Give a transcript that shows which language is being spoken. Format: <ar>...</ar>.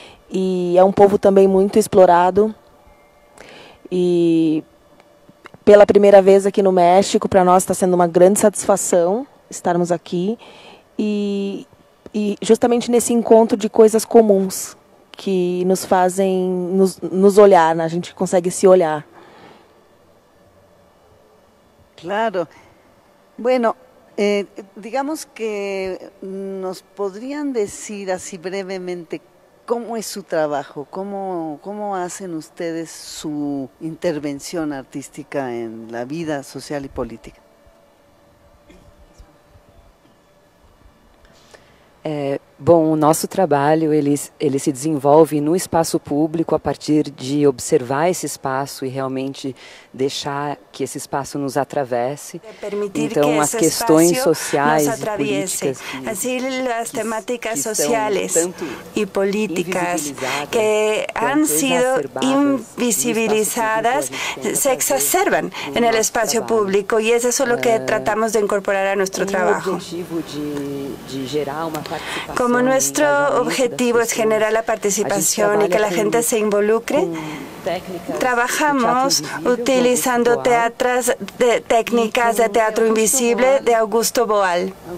<pt>E é um povo também muito explorado. E pela primeira vez aqui no México, para nós está sendo uma grande satisfação estarmos aqui. E justamente nesse encontro de coisas comuns que nos fazem nos olhar, né? A gente consegue se olhar. Claro.</pt> <es>Bueno, digamos que nos podrían decir así brevemente cómo es su trabajo, cómo hacen ustedes su intervención artística en la vida social y política.</es> <pt>Bom, o nosso trabalho ele se desenvolve no espaço público a partir de observar esse espaço e realmente deixar que esse espaço nos atravesse. Então, que as questões sociais e políticas, as temáticas sociais e políticas que</pt> <es>han sido invisibilizadas</es> <pt>se exacerbam no espaço público, e isso é o que tratamos de incorporar a nosso trabalho. O objetivo de gerar uma participação.</pt> <es>Como nuestro objetivo es generar la participación y que la gente se involucre, trabajamos utilizando técnicas de teatro invisible de Augusto Boal.</es>